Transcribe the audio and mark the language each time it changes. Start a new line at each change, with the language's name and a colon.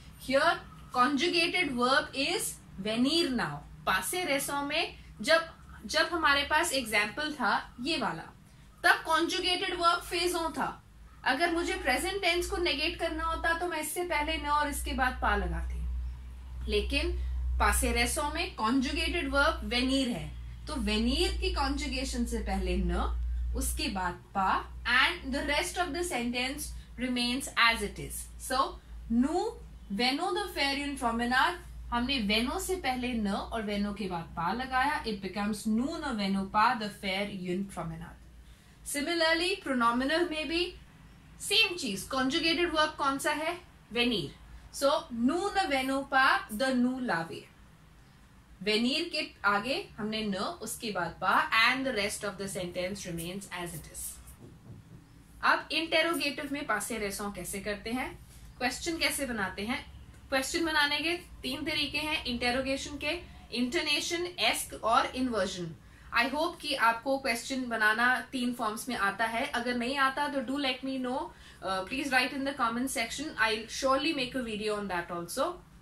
English: Here conjugated verb is venir now.
Hindi: Passé récent mein जब हमारे पास example था ये वाला, तब conjugated verb phase on था. अगर मुझे present tense को negate करना होता तो मैं इससे पहले न और इसके बाद पा लगाती. लेकिन passé récent में conjugated verb venir है, तो venir की conjugation से पहले न, उसके बाद पा
English: and the rest of the sentence remains as it is.
French: So nous venons de faire une promenade.
Hindi: हमने वेनो से पहले न और वेनो के बाद पा लगाया,
English: it becomes
French: nous ne venons pas de faire une promenade.
Hindi: Similarly, pronominal में भी same चीज, conjugated verb कौन सा है?
French: Venir. So, nous ne venons pas de nous laver.
Hindi: Venir के आगे हमने न, उसके बाद पा
English: and the rest of the sentence remains as it is.
Hindi: अब interrogative में passé récent कैसे करते हैं? Question कैसे बनाते हैं? क्वेश्चन बनाने के तीन तरीके हैं इंटरोगेशन के, इंटोनेशन, एस्क और इन्वर्जन. आई होप कि आपको क्वेश्चन बनाना तीन फॉर्म्स में आता है. अगर नहीं आता तो
English: Do let me know, please write in the comment section, I surely make a video on that also.